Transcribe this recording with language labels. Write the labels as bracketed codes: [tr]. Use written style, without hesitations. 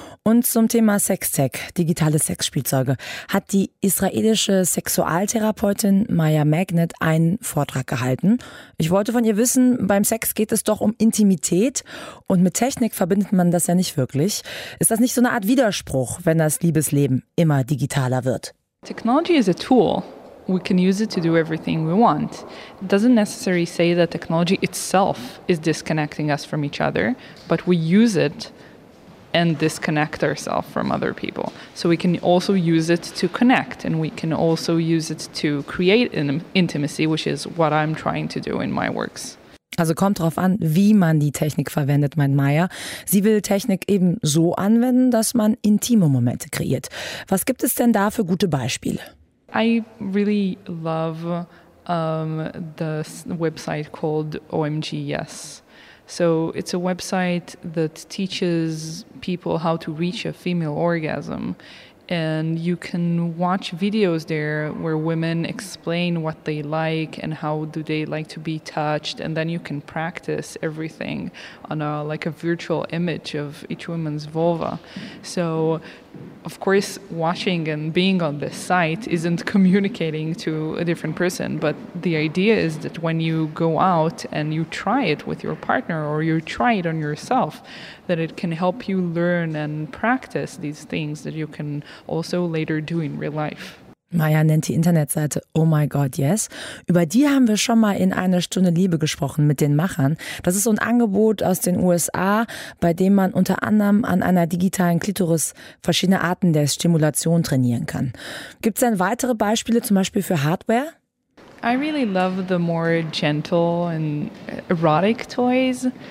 [de] Und zum Thema Sextech, digitale Sexspielzeuge, hat die israelische Sexualtherapeutin Maya Magnet einen Vortrag gehalten. Ich wollte von ihr wissen, beim Sex geht es doch um Intimität und mit Technik verbindet man das ja nicht wirklich. Ist das nicht so eine Art Widerspruch, wenn das Liebesleben immer digitaler wird? [en] Technology is a tool. We can use it to do everything we want. It doesn't necessarily say that technology itself is disconnecting us from each other, but we use it and disconnect ourselves from other people. So we can also use it to connect, and we can also use it to create intimacy, which is what I'm trying to do in my works. [de] Also kommt drauf an, wie man die Technik verwendet, meint Maya. Sie will Technik eben so anwenden, dass man intime Momente kreiert. Was gibt es denn da für gute Beispiele? [en] I really love the website called OMG Yes. So it's a website that teaches people how to reach a female orgasm. And you can watch videos there where women explain what they like and how do they like to be touched. And then you can practice everything on a virtual image of each woman's vulva. So, of course, watching and being on this site isn't communicating to a different person. But the idea is that when you go out and you try it with your partner or you try it on yourself, that it can help you learn and practice these things that you can also later do in real life. [de] Maya nennt die Internetseite Oh My God Yes. Über die haben wir schon mal in einer Stunde Liebe gesprochen mit den Machern. Das ist so ein Angebot aus den USA, bei dem man unter anderem an einer digitalen Klitoris verschiedene Arten der Stimulation trainieren kann. Gibt es denn weitere Beispiele, zum Beispiel für Hardware? [en] I really love the more gentle and erotic toys.